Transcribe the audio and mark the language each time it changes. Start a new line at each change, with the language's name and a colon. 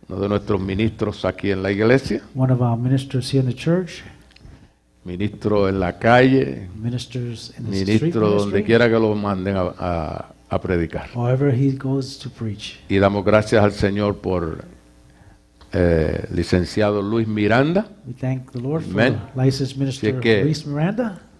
Spanish: Uno de nuestros ministros aquí en la iglesia.
English: One of our ministers here in the church.
Spanish: Ministro en la calle.
English: Ministers in the
Spanish: ministro donde quiera que lo manden a predicar.
English: Wherever he goes to preach.
Spanish: Y damos gracias al Señor por licenciado Luis Miranda.
English: We thank the Lord for the licensed minister Luis Miranda.